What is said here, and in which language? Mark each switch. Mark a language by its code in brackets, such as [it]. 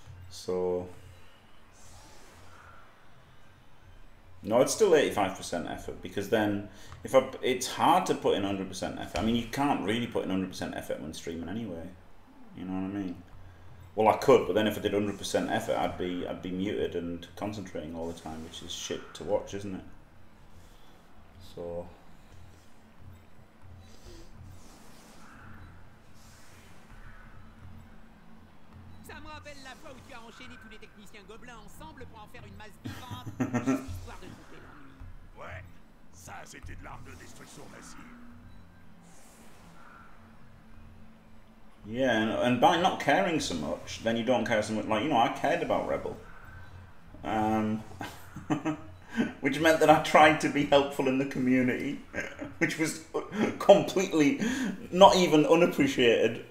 [en] So, no, it's still 85% effort, because then it's hard to put in 100% effort. I mean, you can't really put in 100% effort when streaming anyway. You know what I mean? Well, I could, but then if I did 100% effort, I'd be muted and concentrating all the time, which is shit to watch, isn't it? [fr] So, ça me rappelle la fois où tu as enchaîné tous les techniciens gobelins ensemble pour en faire une masse vivante, histoire de couper l'ennui. Ouais, ça c'était de l'arme de destruction massive. [en] Yeah, and by not caring so much, then you don't care so much. Like, you know, I cared about Rebel. which meant that I tried to be helpful in the community, which was completely not even unappreciated.